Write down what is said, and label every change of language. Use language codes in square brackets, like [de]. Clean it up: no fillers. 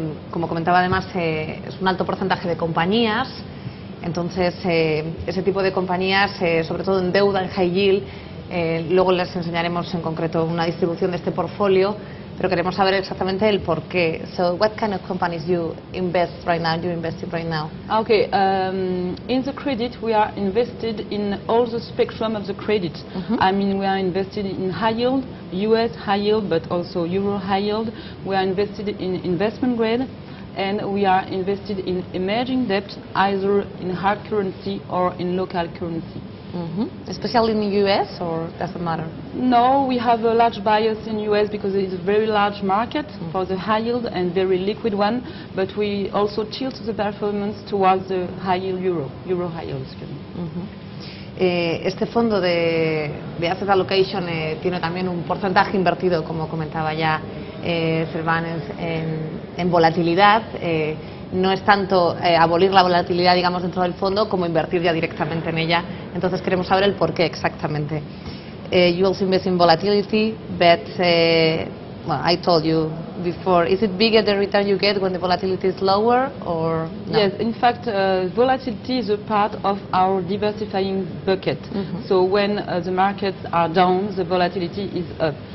[es] Como comentaba además, es un alto porcentaje de compañías, entonces ese tipo de compañías, sobre todo en deuda, en high yield, luego les enseñaremos en concreto una distribución de este portfolio, pero queremos saber exactamente el por qué. [en] So, what kind of companies you invest right now, you invest in right now? Okay, in the credit, we are invested in all the spectrum of the credit. Mm-hmm. I mean, we are invested in high yield, US high yield, but also Euro high yield. We are invested in investment grade, and we are invested in emerging debt, either in hard currency or in local currency. Mm-hmm. Especially in the US, or doesn't matter? No, we have a large bias in US because it's a very large market. Mm-hmm. For the high yield and very liquid one, but we also tilt the performance towards the high yield euro high yield. Excuse me. Mm-hmm. [es] Este fondo de asset allocation tiene también un porcentaje invertido, como comentaba ya Cervantes, en volatilidad. No es tanto abolir la volatilidad, digamos, dentro del fondo, como invertir ya directamente en ella. Entonces queremos saber el porqué exactamente. [en] You also invest in volatility, but well, I told you before, is it bigger the return you get when the volatility is lower or no? Yes, in fact, volatility is a part of our diversifying bucket. Mm-hmm. So when the markets are down, the volatility is up.